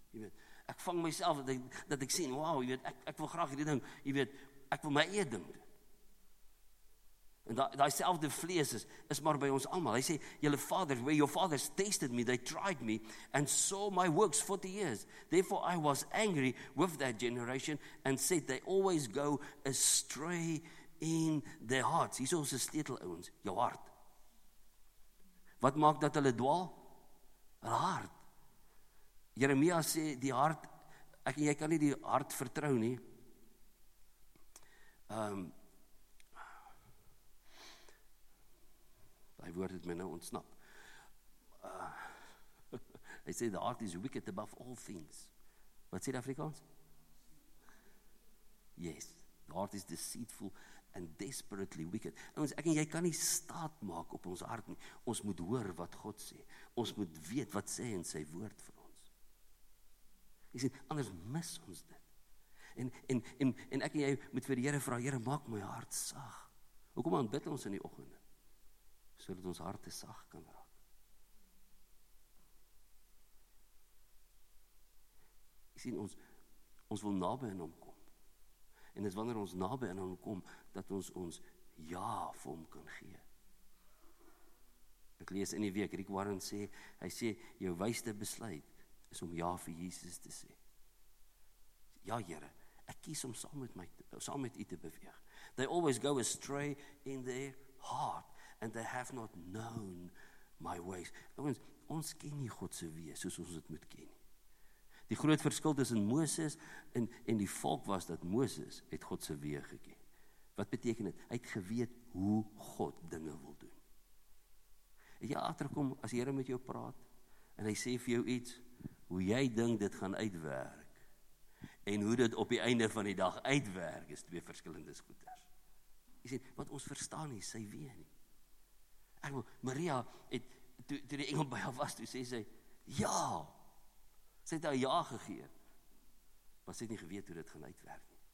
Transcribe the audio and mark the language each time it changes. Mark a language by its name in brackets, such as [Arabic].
[Afrikaans] Jy weet, ek vang myself dat ek sê, wow, jy weet, ek wil graag hierdie ding, jy weet, ek wil my eie ding doen. En die selfde vlees is maar by ons allemaal. Hy sê, julle vaders, [English] where your fathers tested me, they tried me, and saw my works 40 years. Therefore I was angry with that generation, and said, they always go astray in their hearts. [Afrikaans] Hier is ons stetel, ons, jou hart. Wat maak dat hulle dwaal? Hulle hart. Jeremia sê, die hart, jy kan nie die hart vertrou nie, die woord het my nou ontsnap. [English] Hy sê, the heart is wicked above all things. [Afrikaans] Wat sê die Afrikaans? [English] Yes, the heart is deceitful and desperately wicked. [Afrikaans] En ek en jy kan nie staat maak op ons hart nie. Ons moet hoor wat God sê. Ons moet weet wat sê in sy woord vir ons. Hy sê, anders mis ons dit. En ek en jy moet vir die Here vra, Here, maak my hart sag. Hoekom aanbid ons in die oggende? Sodat ons harte sag kan raak. Jy sien, ons wil naby in hom kom. En dit is wanneer ons naby in hom kom, dat ons ja vir hom kan gee. Ek lees in die week, Rick Warren sê, hy sê, jou wysste besluit is om ja vir Jesus te sê. Ja, Here, ek kies om saam met u te beweeg. [English] They always go astray in their heart, and they have not known my ways. [Afrikaans] Ons ken nie God se weë soos ons dit moet ken nie. Die groot verskil tussen Moses en die volk was dat Moses het God se weë geken. Wat beteken dit? Hy het geweet hoe God dinge wil doen. Het jy agterkom as die Here met jou praat en hy sê vir jou iets hoe jy dink dit gaan uitwerk? En hoe dit op die einde van die dag uitwerk, is 2 verskillende goeders. Hy sê, wat ons verstaan nie, sy weet nie. Ek wil, Maria, het, toe die engel by haar was, toe sê sy, ja, sy het haar ja gegee, maar sy het nie geweet hoe dit gaan uitwerk nie.